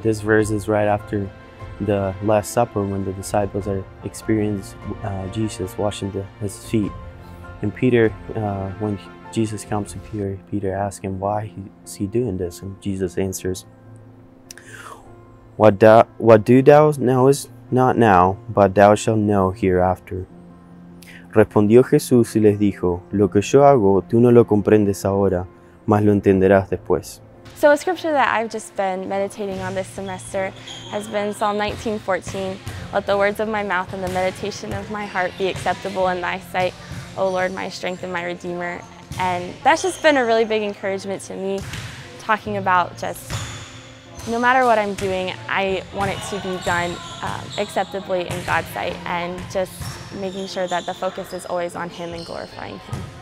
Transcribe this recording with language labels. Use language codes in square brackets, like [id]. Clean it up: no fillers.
[en] This verse is right after the Last Supper, when the disciples are experiencing Jesus washing his feet. And Peter, when Jesus comes to Peter asks him, why is he doing this? And Jesus answers, What do thou knowest not now, but thou shalt know hereafter. [es] Respondió Jesús y les dijo, lo que yo hago, tú no lo comprendes ahora, mas lo entenderás después. [en] So a scripture that I've just been meditating on this semester has been Psalm 19:14. Let the words of my mouth and the meditation of my heart be acceptable in thy sight, O Lord, my strength and my redeemer. And that's just been a really big encouragement to me, talking about just no matter what I'm doing, I want it to be done acceptably in God's sight, and just making sure that the focus is always on Him and glorifying Him.